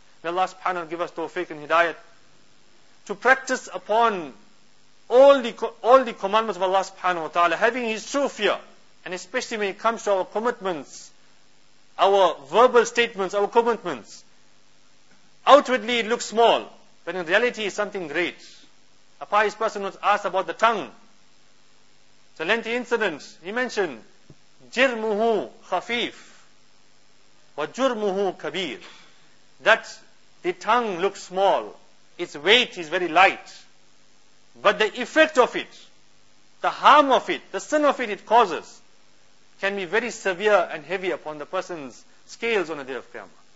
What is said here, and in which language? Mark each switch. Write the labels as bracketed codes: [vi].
[en] May Allah subhanahu wa ta'ala give us tawfiq and hidayat to practice upon all the commandments of Allah subhanahu wa ta'ala, having his true fear. And especially when it comes to our commitments, our verbal statements, our commitments. Outwardly it looks small, but in reality it's something great. A pious person was asked about the tongue. It's a lengthy incident. He mentioned, [ar] جِرْمُهُ خَفِيف وَجُرْمُهُ كَبِيرٌ. [en] That the tongue looks small, its weight is very light. But the effect of it, the harm of it, the sin of it causes, can be very severe and heavy upon the person's scales on the day of Qiyamah.